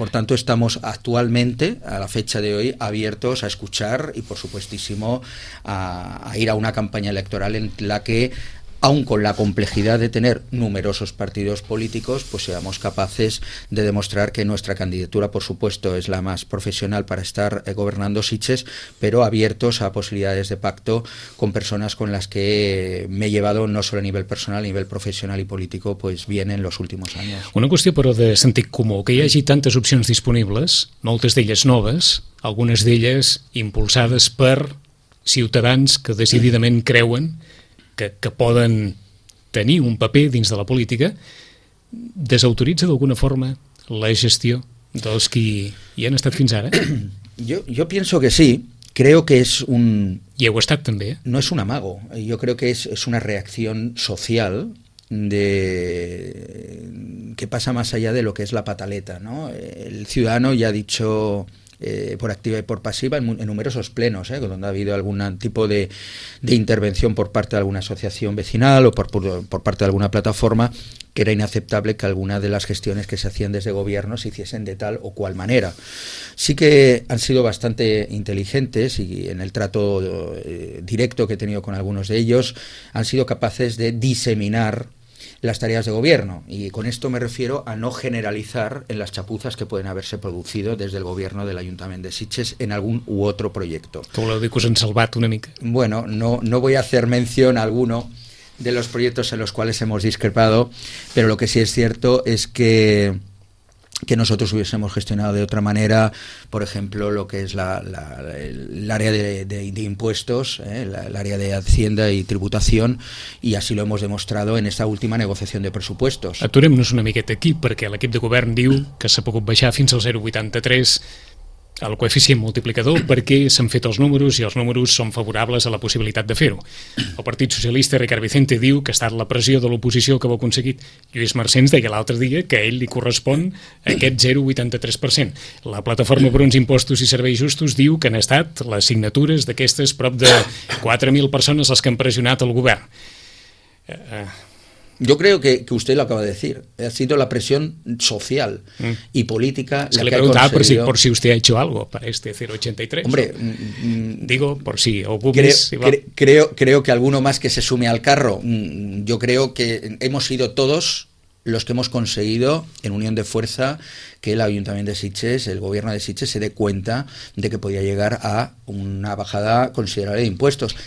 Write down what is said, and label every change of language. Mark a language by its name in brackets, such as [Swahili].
[Spanish] Por tanto, estamos actualmente, a la fecha de hoy, abiertos a escuchar y, por supuestísimo, a ir a una campaña electoral en la que, aun con la complejidad de tener numerosos partidos políticos, pues seamos capaces de demostrar que nuestra candidatura, por supuesto, es la más profesional para estar gobernando Sitges, pero abiertos a posibilidades de pacto con personas con las que me he llevado, no solo a nivel personal, a nivel profesional y político, pues bien en los últimos años. [Catalan] Una qüestió, però, de sentit comú, que hi hagi tantes opcions disponibles, moltes d'elles noves, algunes d'elles impulsades per ciutadans que decididament creuen que poden tenir un paper dins de la política, desautoritza d'alguna forma la gestió dels que hi han estat fins ara? Jo penso que sí. [Spanish] Creo que es un... [Catalan] I heu estat també. No és un amago. Jo crec que és una reacció social de que passa més allà de lo que és la pataleta, ¿no? [Spanish] El ciudadano ya ha dicho por activa y por pasiva en numerosos plenos, donde ha habido algún tipo de intervención por parte de alguna asociación vecinal o por parte de alguna plataforma, que era inaceptable que alguna de las gestiones que se hacían desde gobierno se hiciesen de tal o cual manera. Sí que han sido bastante inteligentes, y en el trato directo que he tenido con algunos de ellos han sido capaces de diseminar las tareas de gobierno. Y con esto me refiero a no generalizar en las chapuzas que pueden haberse producido desde el gobierno del Ayuntamiento de Sitges en algún u otro proyecto. Como lo digo, se han salvado [Catalan] una mica. [Spanish] Bueno, no voy a hacer mención a alguno de los proyectos en los cuales hemos discrepado, pero lo que sí es cierto es que nosotros hubiésemos gestionado de otra manera, por ejemplo, lo que es el área de impuestos, el área de Hacienda y Tributación, y así lo hemos demostrado en esta última negociación de presupuestos. [Catalan] Aturem-nos una miqueta aquí, perquè l'equip de govern diu que s'ha pogut baixar fins al 0,83 el coeficient multiplicador perquè s'han fet els números i els números són favorables a la possibilitat de fer-ho. El Partit Socialista, Ricard Vicente, diu que ha estat la pressió de l'oposició que ho ha aconseguit. Lluís Marcens deia l'altre dia que a ell li correspon aquest 0,83%. La Plataforma per uns Impostos i Serveis Justos diu que han estat les signatures d'aquestes prop de 4.000 persones les que han pressionat el govern. [Spanish] Yo creo que usted lo acaba de decir. Ha sido la presión social y política. Se le preguntaba por si usted ha hecho algo para este 0,83. Hombre, digo por si. Creo que alguno más que se sume al carro. Yo creo que hemos sido todos los que hemos conseguido, en unión de fuerza, que el Ayuntamiento de Sitges, el gobierno de Sitges, se dé cuenta de que podía llegar a una bajada considerable de impuestos.